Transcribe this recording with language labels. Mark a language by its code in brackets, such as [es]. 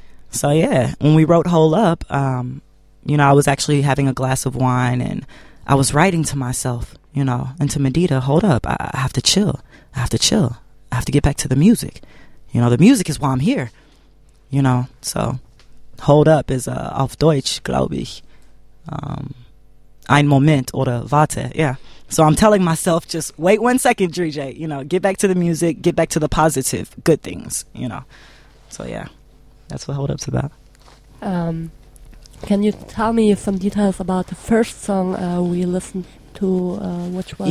[en] So, yeah, when we wrote Hold Up, you know, I was actually having a glass of wine and I was writing to myself, you know, and to Medita, hold up. I have to chill. I have to chill. I have to get back to the music. You know, the music is why I'm here, you know. So Hold Up is [de] auf Deutsch, glaube ich. Ein Moment oder warte, yeah. [en] So I'm telling myself, just wait 1 second, DJ. You know, get back to the music, get back to the positive, good things, you know. So yeah, that's what Hold Up's about. Can you tell me some details about the first song we listened to, which was?